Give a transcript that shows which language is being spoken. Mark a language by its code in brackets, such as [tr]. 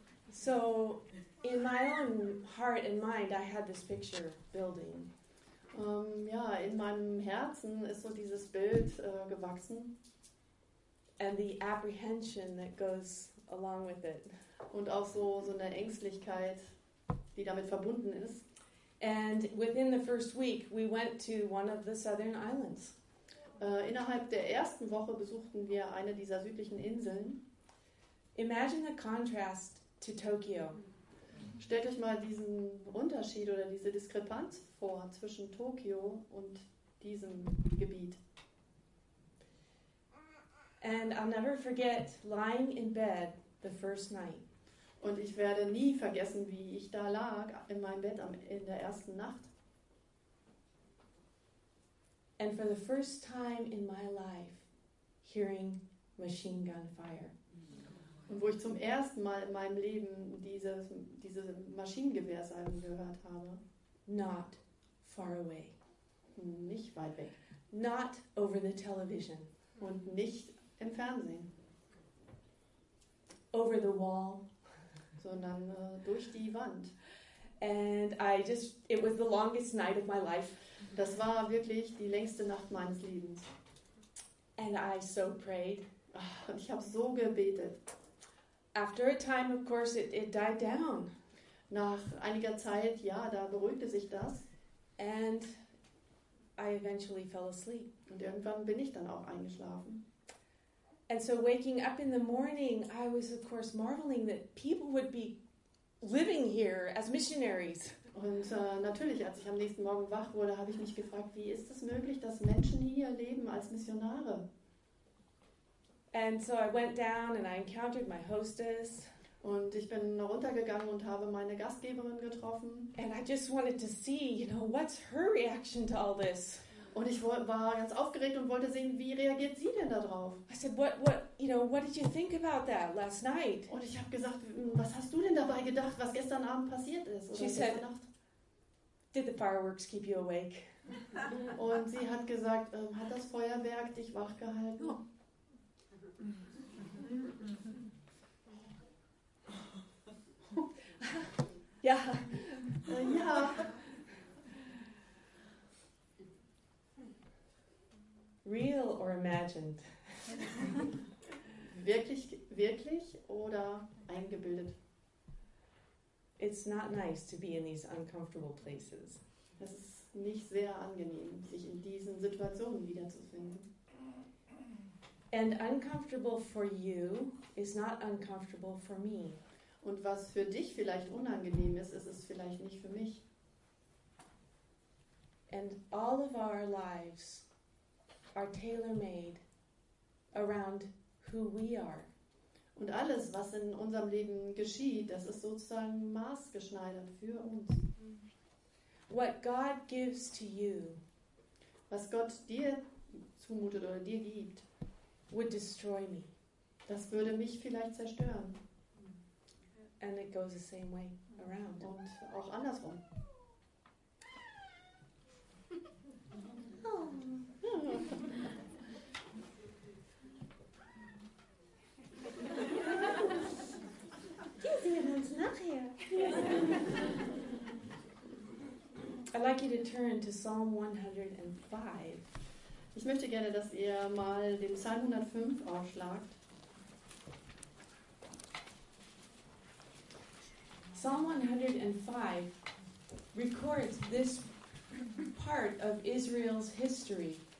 [en] So, in my own heart and mind, I had this picture building. [de] Ja, in meinem Herzen ist so dieses Bild gewachsen. [en] And the apprehension that goes along with it. [de] Und auch so eine Ängstlichkeit, die damit verbunden ist. [en] And within the first week, we went to one of the southern islands. [de] Innerhalb der ersten Woche besuchten wir eine dieser südlichen Inseln. [en] Imagine the contrast to Tokyo. [de] Stellt euch mal diesen Unterschied oder diese Diskrepanz vor zwischen Tokio und diesem Gebiet. [en] And I'll never forget lying in bed the first night. [de] Und ich werde nie vergessen, wie ich da lag in meinem Bett in der ersten Nacht. [en] And for the first time in my life hearing machine gun fire. [de] Und wo ich zum ersten Mal in meinem Leben diese Maschinengewehrsalven gehört habe. [en] Not far away. [de] Nicht weit weg. [en] Not over the television. [de] Und nicht im Fernsehen. [en] Over the wall. [de] Sondern durch die Wand. [en] And I just, it was the longest night of my life. [de] Das war wirklich die längste Nacht meines Lebens. [en] And I so prayed. [de] Und ich habe so gebetet. [en] After a time, of course, it died down. [de] Nach einiger Zeit, ja, da beruhigte sich das. [en] And I eventually fell asleep. [de] Und irgendwann bin ich dann auch eingeschlafen. [en] And so waking up in the morning, I was, of course, marveling that people would be living here as missionaries. [de] Und natürlich, als ich am nächsten Morgen wach wurde, habe ich mich gefragt, wie ist es möglich, dass Menschen hier leben als Missionare? [en] And so I went down and I encountered my hostess. [de] Und ich bin runtergegangen und habe meine Gastgeberin getroffen. [en] And I just wanted to see, you know, what's her reaction to all this? [de] Und ich war ganz aufgeregt und wollte sehen, wie reagiert sie denn da drauf? [en] I said, what, you know, what did you think about that last night? [de] Und ich habe gesagt, was hast du denn dabei gedacht, was gestern Abend passiert ist? [en] She said, did the fireworks keep you awake? [de] Und sie hat gesagt, hat das Feuerwerk dich wach gehalten? Oh. Ja. Ja. [en] Real or imagined? [de] Wirklich, wirklich oder eingebildet? [en] It's not nice to be in these uncomfortable places. [de] Es ist nicht sehr angenehm, sich in diesen Situationen wiederzufinden. [en] And uncomfortable for you is not uncomfortable for me. [de] Und was für dich vielleicht unangenehm ist, ist es vielleicht nicht für mich. [en] And all of our lives are tailor-made around who we are. [de] Und alles, was in unserem Leben geschieht, das ist sozusagen maßgeschneidert für uns. [en] What God gives to you, [de] was Gott dir zumutet oder dir gibt, [en] would destroy me. [de] Das würde mich vielleicht zerstören. [en] And it goes the same way around. [de] Und auch andersrum. Wir sehen uns nachher. [en] I'd like you to turn to Psalm 105. [de] Ich möchte gerne, dass ihr mal den Psalm 105 aufschlagt. [en] Psalm 105 records this part of Israel's history.